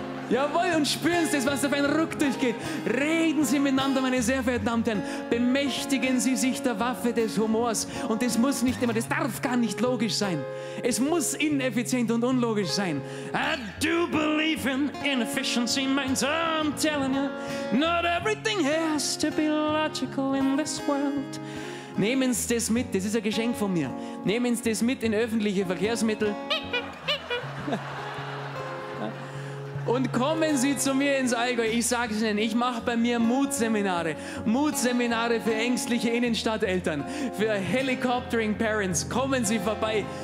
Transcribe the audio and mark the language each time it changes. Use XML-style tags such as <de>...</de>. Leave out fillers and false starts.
<de>Jawohl, und spüren Sie das, was auf einen Ruck durchgeht. Reden Sie miteinander, meine sehr verehrten Damen und Herren. Bemächtigen Sie sich der Waffe des Humors. Und das muss nicht immer, das darf gar nicht logisch sein. Es muss ineffizient und unlogisch sein.</de> <en>I do believe in inefficiency, mein Sir, I'm telling you. Not everything has to be logical in this world.</en> <de>Nehmen Sie das mit, das ist ein Geschenk von mir. Nehmen Sie das mit in öffentliche Verkehrsmittel. Und kommen Sie zu mir ins Allgäu. Ich sage es Ihnen, ich mache bei mir Mutseminare. Mutseminare für ängstliche Innenstadteltern, für Helicoptering Parents. Kommen Sie vorbei.</de>